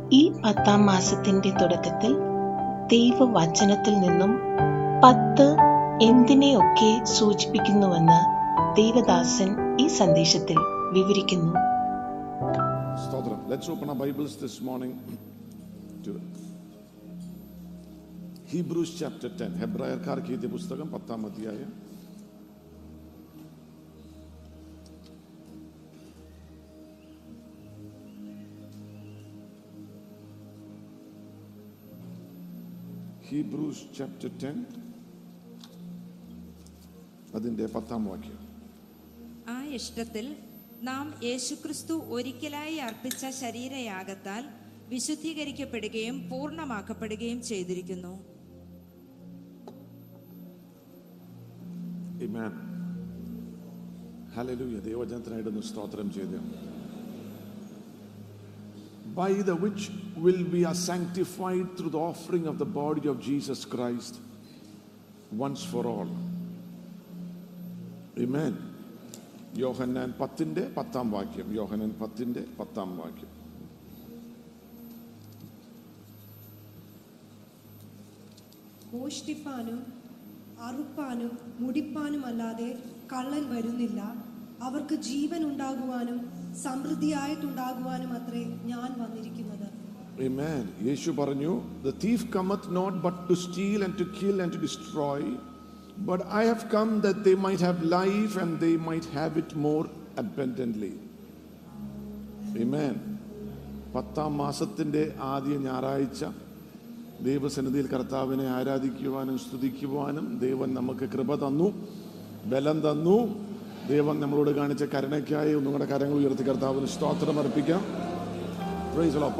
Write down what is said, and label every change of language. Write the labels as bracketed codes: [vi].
[ml] ഈ പത്താം മാസത്തിന്റെ തുടക്കത്തിൽ ദൈവവചനത്തിൽ നിന്നും 10 എന്തിനെയൊക്കെ സൂചിപ്പിക്കുന്നുവെന്ന് ദൈവദാസൻ ഈ സന്ദേശത്തിൽ വിവരിക്കുന്നു. സ്തോത്രം. [en] Let's open our Bibles this morning to Hebrews chapter 10. [ml] ഹെബ്രായർക്കാർക്ക് എഴുതിയ പുസ്തകം 10 അധ്യായം. [en] Hebrews chapter 10 [ml] അതിന്റെ 10 വാക്യം. ആ ഇഷ്ടത്തിൽ നാം യേശുക്രിസ്തു ഒരിക്കലായി അർപ്പിച്ച ശരീരയാഗത്താൽ വിശുദ്ധീകരിക്കപ്പെടുകയും പൂർണ്ണമാക്കപ്പെടുകയും ചെയ്തിരിക്കുന്നു. ആമേൻ. ഹല്ലേലൂയ. ദൈവവചനത്തിനായിരുന്നു സ്തോത്രം ചെയ്യുക. [en] By the which will we are sanctified through the offering of the body of Jesus Christ once for all. Amen. [ml] യോഹന്നാൻ 10ന്റെ 10 വാക്യം. യോഹന്നാൻ 10ന്റെ 10 വാക്യം. മോഷ്ടിപ്പാനും അറുപ്പാനും മുടിപ്പാനും അല്ലാതെ കള്ളൻ വരുന്നില്ല. അവർക്ക് ജീവൻ ഉണ്ടാകുവാനും സമൃദ്ധിയായിട്ടുണ്ടാകുവാനും അത്രേ ഞാൻ വന്നിരിക്കുന്നത്. യേശു പറഞ്ഞു, The thief cometh not but to steal and to kill and to destroy, but I have come that they might have life and they might have it more abundantly. [en] Amen. [ml] പത്താം മാസത്തിന്റെ ആദ്യ ഞായറാഴ്ച ദൈവസന്നിധിയിൽ കർത്താവിനെ ആരാധിക്കുവാനും സ്തുതിക്കുവാനും ദൈവം നമുക്ക് കൃപ തന്നു, ബലം തന്നു. ദൈവം നമ്മളോട് കാണിച്ച കരുണയ്ക്കായി ഒന്നുകൂടെ കരങ്ങൾ ഉയർത്തി കർത്താവിന് സ്തോത്രം അർപ്പിക്കാം. Praise Lord.